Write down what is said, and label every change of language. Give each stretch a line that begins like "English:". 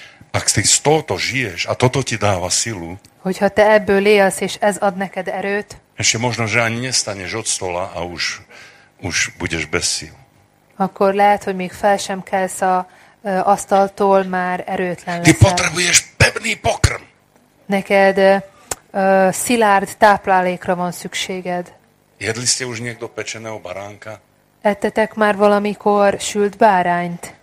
Slovak: Ak ti z tohoto žiješ, a toto ti dáva silu,
Hungarian: hogyha te ebből élsz, és ez ad neked erőt,
Slovak: ešte možno, že ani nestaneš od stola a už budeš bez síl.
Hungarian: Akkor lehet, hogy még fel sem kelsz a asztaltól, már erőtlen leszel.
Slovak: Ty potrebuješ pevný pokrm.
Hungarian: Neked szilárd táplálékra van szükséged.
Slovak: Jedli ste už niekto pečeného baránka?
Hungarian: Ettetek már valamikor sült bárányt?